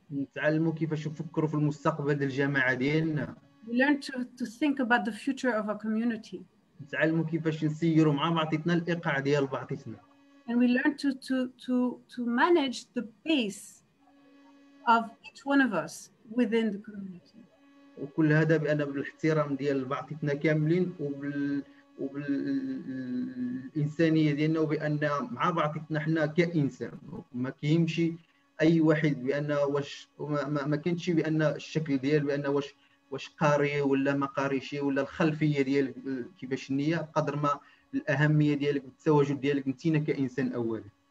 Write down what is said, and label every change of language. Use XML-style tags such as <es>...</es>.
<ar>نتعلموا كيفاش نفكروا في المستقبل ديال الجماعه ديالنا.</ar> <en>We learn to think about the future of our community.</en> <ar>نتعلموا كيفاش نسيروا مع بعضياتنا الايقاع ديال بعضياتنا.</ar> <en>And we learn to manage the pace of each one of us within the community.</en> <ar>وكل هذا بان بالاحترام ديال بعضياتنا كاملين وبالانسانيه ديالنا وبان مع بعضياتنا حنا كانسان ما كيمشي اي واحد بان واش ما كاينش بان الشكل ديال بان واش قاري ولا ما قاريش ولا الخلفيه ديال كيفاش النيه قدر ما الاهميه ديالك التواجد ديالك انتينا كانسان اولا.</ar>